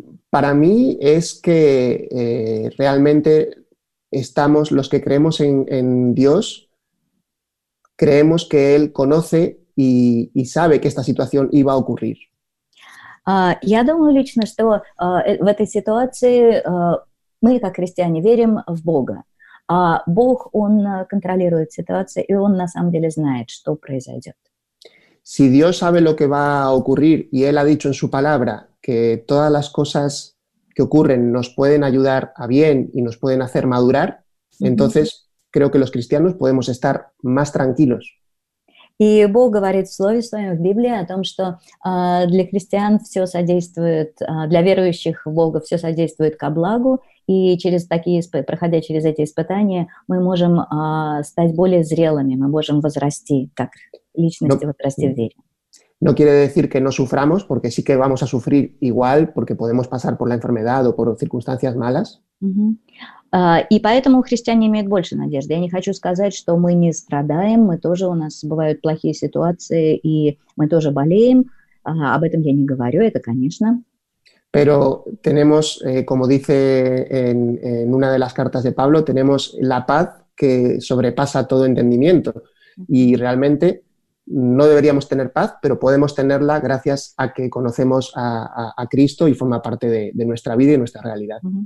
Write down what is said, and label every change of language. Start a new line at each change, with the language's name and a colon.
Spanish: Para mí es que realmente estamos, los que creemos en Dios, creemos que Él conoce y sabe que esta situación iba a ocurrir.
Russian: Я думаю лично, что в этой ситуации мы, как христиане, верим в Бога. Бог, Он контролирует ситуацию, и Он на самом деле знает, что произойдет.
Spanish: Si Dios sabe lo que va a ocurrir, y Él ha dicho en su palabra que todas las cosas que ocurren nos pueden ayudar a bien y nos pueden hacer madurar, entonces creo que los cristianos podemos estar más tranquilos.
Russian: И Бог говорит в Слове Своем, в Библии, о том, что для христиан все содействует, для верующих в Бога все содействует ко благу, и через такие, проходя через эти испытания, мы можем стать более зрелыми, мы можем возрасти, как личности возрасти в вере.
Spanish: No quiere decir que no suframos, porque sí que vamos a sufrir igual, porque podemos pasar por la enfermedad o por circunstancias malas.
Russian: И поэтому христиане имеют больше надежды. Я не хочу сказать, что мы не страдаем, мы тоже, у нас бывают плохие ситуации, и мы тоже болеем. Об этом я не говорю, это конечно.
Spanish: Pero tenemos, como dice en una de las cartas de Pablo, tenemos la paz que sobrepasa todo entendimiento. Y realmente no deberíamos tener paz, pero podemos tenerla gracias a que conocemos a Cristo y forma parte de nuestra vida y nuestra realidad.